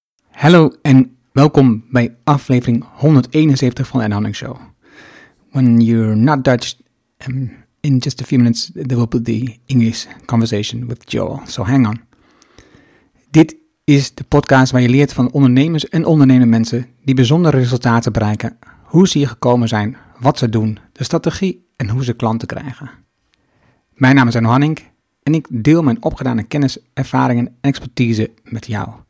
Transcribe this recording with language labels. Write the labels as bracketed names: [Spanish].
[Dutch] Hallo en welkom bij aflevering 171 van de Enhanning Show. [English] When you're not Dutch, in just a few minutes there will be the English conversation with Joel. So hang on. [Dutch] Dit is de podcast waar je leert van ondernemers en ondernemende mensen die bijzondere resultaten bereiken, hoe ze hier gekomen zijn, wat ze doen, de strategie en hoe ze klanten krijgen. Mijn naam is Enhanning en ik deel mijn opgedane kennis, ervaringen en expertise met jou.